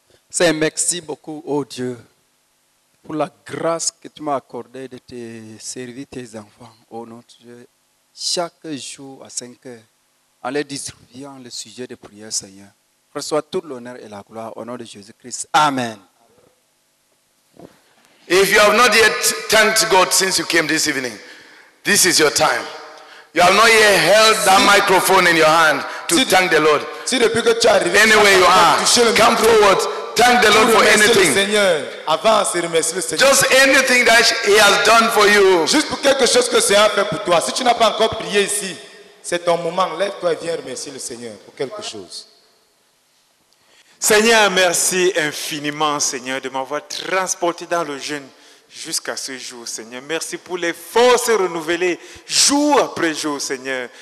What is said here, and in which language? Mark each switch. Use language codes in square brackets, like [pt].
[fr] Seigneur, merci beaucoup, ô Dieu, pour la grâce que tu m'as accordée de te servir tes enfants, ô nom de Dieu, chaque jour à 5 heures, en les distribuant le sujet de prière, Seigneur. Reçois tout l'honneur et la gloire au nom de Jésus-Christ. Amen. [en] If you have not yet thanked God since you came this evening, this is your time. You have not yet held that microphone in your hand to thank the Lord. Anywhere you are, come forward, thank the Lord for anything. Just anything that He has done for you. [fr] Juste pour quelque chose que Seigneur a fait pour toi. Si tu n'as pas encore prié ici, c'est ton moment. Lève-toi et viens remercier le Seigneur pour quelque chose. Seigneur, merci infiniment, Seigneur, de m'avoir transporté dans le jeûne jusqu'à ce jour, Seigneur. Merci pour les forces renouvelées jour après jour, Seigneur.